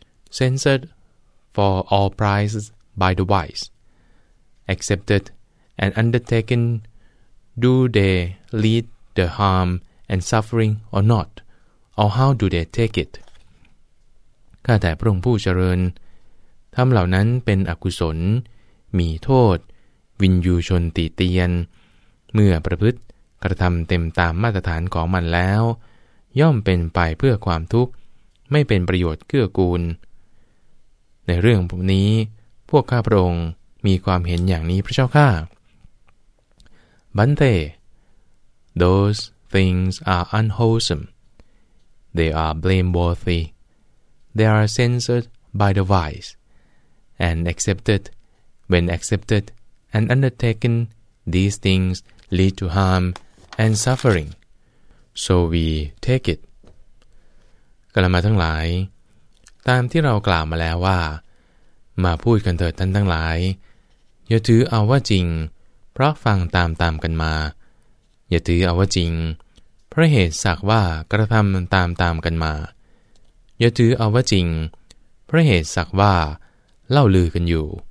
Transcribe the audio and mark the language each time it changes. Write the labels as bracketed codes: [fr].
[en] Censored for all prices by the wise, accepted and undertaken, do they lead the harm and suffering or not, or how do they take it? [th] ข้าแต่พระองค์ผู้เจริญทำเหล่านั้นเป็นอกุศลมีโทษวินยูชนติเตียนเมื่อประพฤติ กระทำเต็มตามมาตรฐานของมันแล้วย่อมเป็นไปเพื่อความทุกข์ไม่เป็นประโยชน์เกื้อกูลในเรื่องนี้พวกข้าพระองค์มีความเห็นอย่างนี้พระเจ้าข้าบันเต [en] Those things are unwholesome. They are blameworthy. They are censored by the wise and accepted. When accepted and undertaken, these things lead to harm and suffering. So we take it. [th] กลับมาทั้งหลายตามที่เรากล่าวมาแล้วว่ามาพูดกันเถิดท่านทั้งหลายอย่าถือเอาว่าจริงเพราะฟังตามกันมาอย่าถือเอาว่าจริงเพราะเหตุสักว่ากระทำตามกันมาอย่าถือเอาว่าจริงเพราะเหตุสักว่าเล่าลือกันอยู่